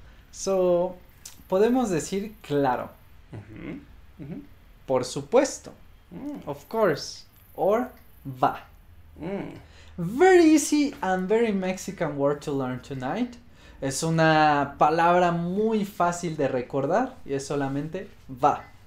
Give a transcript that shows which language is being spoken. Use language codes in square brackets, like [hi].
[es] So, podemos decir claro, por supuesto, [en] of course, or [es] va. [en] Very easy and very Mexican word to learn tonight. [es] Es una palabra muy fácil de recordar y es solamente va.